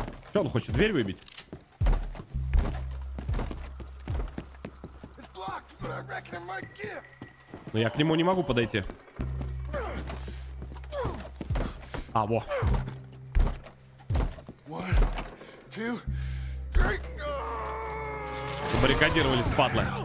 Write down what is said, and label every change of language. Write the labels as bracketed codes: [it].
[ru] Что он хочет, дверь выбить? [en] It's blocked, but I reckon it might give. [ru] Но я к нему не могу подойти. А, во. Забаррикадировались, падлы.